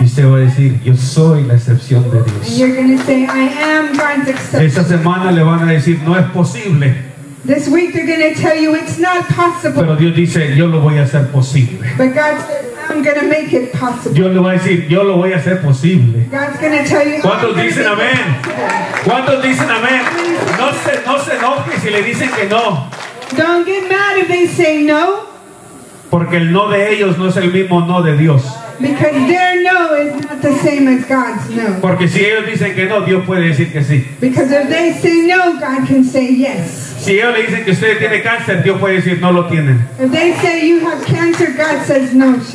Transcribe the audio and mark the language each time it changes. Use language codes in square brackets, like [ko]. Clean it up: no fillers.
[es] Y usted va a decir, yo soy la excepción de Dios. [en] And you're going to say, I am God's exception. [es] Esta semana le van a decir, no es posible. [en] This week they're going to tell you it's not possible. [es] Pero Dios dice, yo lo voy a hacer posible. [en] But God says, I'm going to make it possible. [es] Dios le va a decir, yo lo voy a hacer posible. [en] God's going to tell you. [es] ¿Cuántos dicen amén? ¿Cuántos dicen amén? No se enoje si le dicen que no. [en] Don't get mad if they say no. [es] Porque el no de ellos no es el mismo no de Dios. [en] Because their no is not the same as God's no. [es] Porque si ellos dicen que no, Dios puede decir que sí. [en] Because if they say no, God can say yes. [es] Si ellos le dicen que usted tiene cáncer, Dios puede decir no lo tienen. [en] If they say you have cancer, God says no.